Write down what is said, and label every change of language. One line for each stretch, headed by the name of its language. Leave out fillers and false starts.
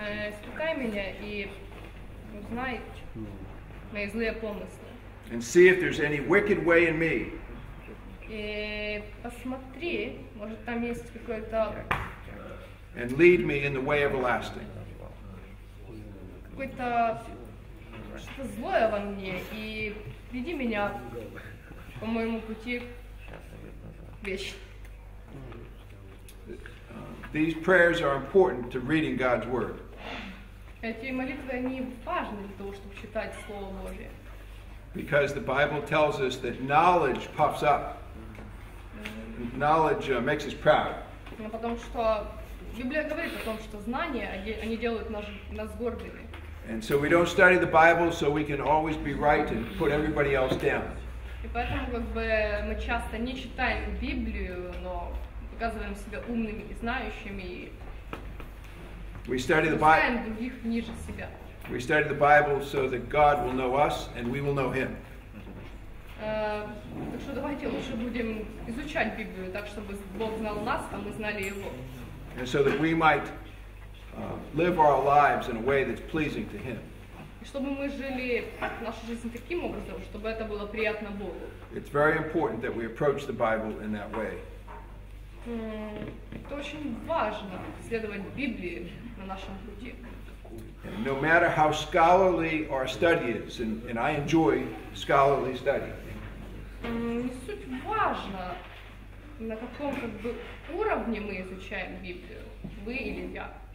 Russian: Испытай меня и узнай мои злые помыслы.
English: And see if there's any wicked way in me.
Russian: И посмотри, может там есть какой-то.
English: And lead me in the way everlasting.
Russian: Какое-то что-то злое во мне и веди меня по моему пути вечно.
English: These prayers are important to reading God's Word.
Russian: Эти молитвы, они важны для того, чтобы читать Слово Божие.
English: Because the Bible tells us that knowledge puffs up. Knowledge makes us proud.
Russian: Потому что Библия говорит о том, что знания, они делают нас гордыми.
English: And so we don't study the Bible so we can always be right and put everybody else down.
Russian: И поэтому как бы мы часто не читаем Библию, но показываем себя умными и знающими.
English: We study the Bible.
Russian: Читаем других ниже себя.
English: We study the Bible so that God will know us and we will know Him.
Russian: Так что давайте лучше будем изучать Библию, так чтобы Бог знал нас, а мы знали Его.
English: And so that we might live our lives in a way that's pleasing to Him.
Russian: Чтобы мы жили нашу жизнь таким образом, чтобы это было приятно Богу.
English: It's very important that we approach the Bible in that way.
Russian: Это очень важно следовать Библии на нашем пути.
English: And no matter how scholarly our study is, and I enjoy scholarly study.
Russian: Не суть важно, на каком как бы уровне мы изучаем Библию, вы или я.